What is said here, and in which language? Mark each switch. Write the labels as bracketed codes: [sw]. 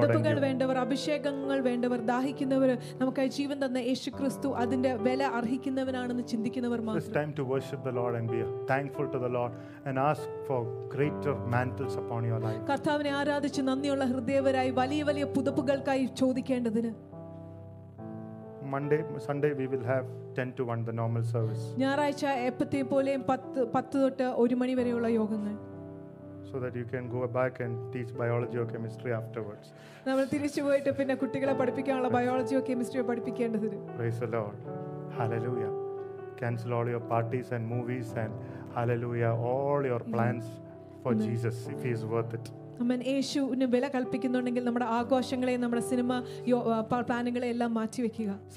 [ml] പുതപ്പുകൾ വേണ്ടവർ, അഭിഷേകങ്ങൾ വേണ്ടവർ, ദാഹിക്കുന്നവർ, നമുക്കായി ജീവൻ തന്ന യേശുക്രിസ്തു അതിന്റെ വില അർഹിക്കുന്നവനാണെന്ന് ചിന്തിക്കുന്നവർ മാത്രം. [en] It's time to worship the Lord and be thankful to the Lord and ask for greater mantles upon your life. [ml] കർത്താവിനെ ആരാധിച്ച് നന്ദിയുള്ള ഹൃദയവരായി വലിയ വലിയ പുതപ്പുകൾക്കായി ചോദിക്കേണ്ടതിന്. [en] Monday, Sunday we will have 10 to 1 the normal service. [ml] ഞായറാഴ്ച എപ്പത്തെ പോലെയും 10 തൊട്ട് 1 മണി വരെയുള്ള യോഗങ്ങൾ. [en] So that you can go back and teach biology or chemistry afterwards. [ml] നമ്മൾ തിരിച്ചു പോയിട്ട് പിന്നെ കുട്ടികളെ പഠിപ്പിക്കാനുള്ള ബയോളജിയോ കെമിസ്ട്രിയോ പഠിപ്പിക്കേണ്ടതില്ല. [en] Praise the Lord. Hallelujah. Cancel all your parties and movies and hallelujah all your plans for Amen. Jesus if he is worth it. [ml] അമ്മൻ യേശുവിന് വില കൽപ്പിക്കുന്നുണ്ടെങ്കിൽ നമ്മുടെ ആഘോഷങ്ങളെയും നമ്മുടെ സിനിമ പ്ലാനുകളെ എല്ലാം മാറ്റിവെക്കുക.